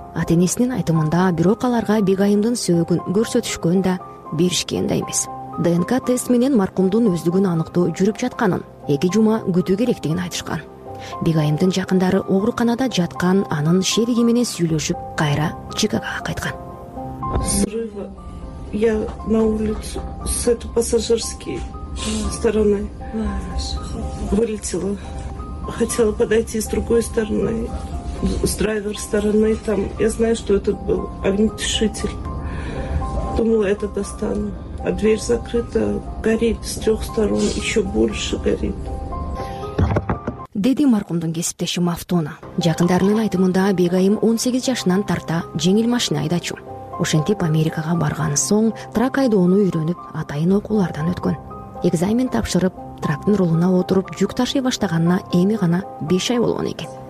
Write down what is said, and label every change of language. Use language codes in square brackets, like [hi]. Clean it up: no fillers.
[ky] Ата энесинин айтымында бирок аларга Бегайымдын сөөгүн көрсөтүшкөн да, беришкен да эмес. ДНК тест менен маркумдун өздүгүн аныктоо жүрүп жатканын, 2 жума күтүү керектигин айтышкан. Бегайымдын жакындары ооруканада жаткан анын шериги менен сүйлөшүп кайра Чикагого кайткан. [ru] Я на улицу с этой пассажирской стороны вылетела. Хотела подойти с другой стороны, с драйвер стороны, там, я знаю, что это был огнетушитель. Думала, это достану. А дверь закрыта, горит с трех сторон, еще больше горит. [ky] Деди маркумдун кесиптеши Мафтуна. Жакындарынын айтымында Бегайым 18 жашынан тарта жеңил машина айдачу. Ошентип Америкага барган соң трак айдоону үйрөнүп, атайын окуулардан өткөн. Экзамен тапшырып, трактын ролуна отуруп жүк ташый баштаганына эми гана 5 ай болгон экен.